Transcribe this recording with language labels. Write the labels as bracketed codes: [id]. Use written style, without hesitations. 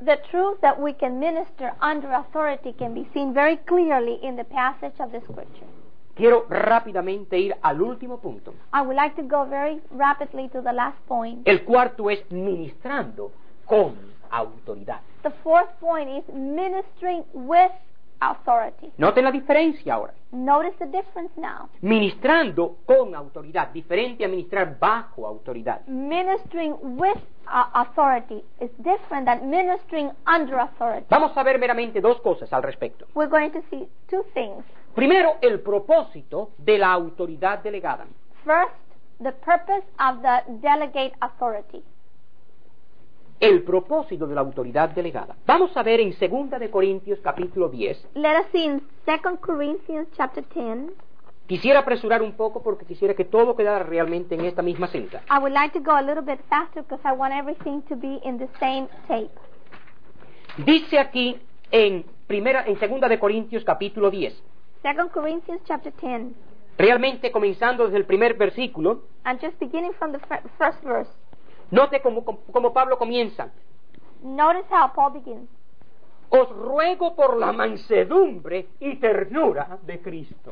[en] The truth that we can minister under authority can be seen very clearly in the passage of the Scripture. [es] Quiero rápidamente ir al último punto. [en] I would like to go very rapidly to the last point. [es] El cuarto es ministrando con autoridad. [en] The fourth point is ministering with authority. [es] Noten la diferencia ahora. [en] Notice the difference now. [es] Ministrando con autoridad, diferente a ministrar bajo autoridad. [en] Ministering with authority is different than ministering under authority. [es] Vamos a ver meramente dos cosas al respecto. [en] We're going to see two things. [es] Primero, el propósito de la autoridad delegada. [en] First, the purpose of the delegate authority. [es] El propósito de la autoridad delegada. Vamos a ver en 2 de Corintios capítulo 10. [en] Let us see in 2 Corinthians chapter 10. [es] Quisiera apresurar un poco porque quisiera que todo quedara realmente en esta misma cinta. [en] I would like to go a little bit faster because I want everything to be in the same tape. [es] Dice aquí en 2 de Corintios capítulo 10. [en] 2 Corinthians chapter 10. [es] Realmente comenzando desde el primer versículo. [en] And just beginning from the first verse. [es] Note cómo Pablo comienza. [en] Notice how Paul begins. [es] Os ruego por la mansedumbre y ternura de Cristo.